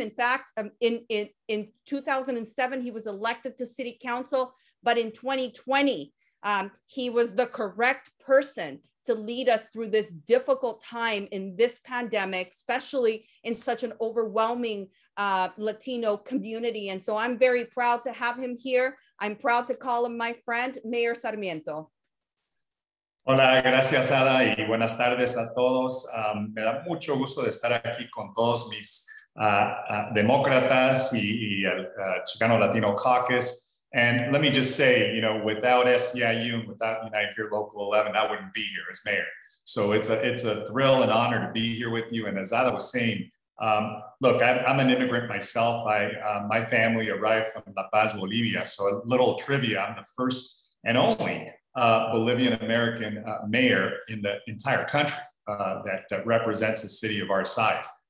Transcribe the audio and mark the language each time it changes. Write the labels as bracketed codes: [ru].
[en] In fact, in 2007, he was elected to city council, but in 2020, he was the correct person to lead us through this difficult time in this pandemic, especially in such an overwhelming Latino community. And so I'm very proud to have him here. I'm proud to call him my friend, Mayor Sarmiento. [es] Hola, gracias, Ada, y buenas tardes a todos. Me da mucho gusto de estar aquí con todos mis demócratas y el Chicano Latino Caucus. [en] And let me just say, you know, without SEIU, without United Here Local 11, I wouldn't be here as mayor. So it's a thrill and honor to be here with you. And as Ada was saying, look, I'm an immigrant myself. My family arrived from La Paz, Bolivia. So a little trivia, I'm the first and only Bolivian American mayor in the entire country that represents a city of our size.